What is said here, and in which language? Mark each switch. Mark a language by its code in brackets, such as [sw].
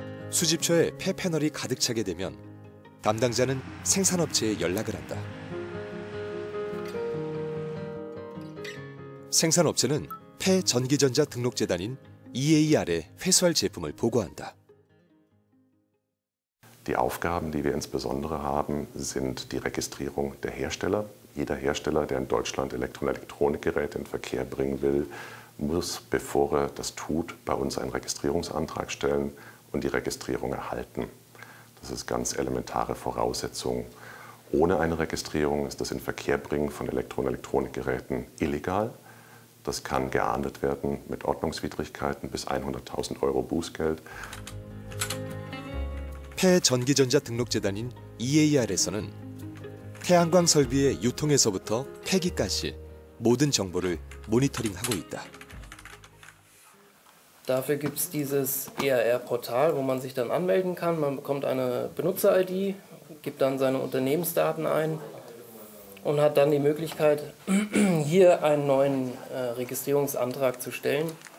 [ko] 수집처에 폐 패널이 가득 차게 되면 담당자는 생산업체에 연락을 한다. 생산업체는 폐 전기전자 등록재단인 EAR에 회수할 제품을 보고한다. [de] Die Aufgaben, die wir insbesondere haben, sind die Registrierung der Hersteller. Jeder Hersteller, der in Deutschland Elektro- und Elektronikgeräte in Verkehr bringen will, muss, bevor er das tut, bei uns einen Registrierungsantrag stellen und die Registrierung erhalten. Das ist ganz elementare Voraussetzung. Ohne eine Registrierung ist das Inverkehrbringen von Elektro- und Elektronikgeräten illegal. Das kann geahndet werden mit Ordnungswidrigkeiten bis 100.000 Euro Bußgeld. [ko] 폐전기전자등록재단인 EAR에서는 태양광 설비의 유통에서부터 폐기까지 모든 정보를 모니터링하고 있다. [de] Dafür gibt's dieses EAR-Portal, wo man sich dann anmelden kann. Man bekommt eine Benutzer-ID, gibt dann seine Unternehmensdaten ein und hat dann die Möglichkeit, hier einen neuen Registrierungsantrag zu stellen.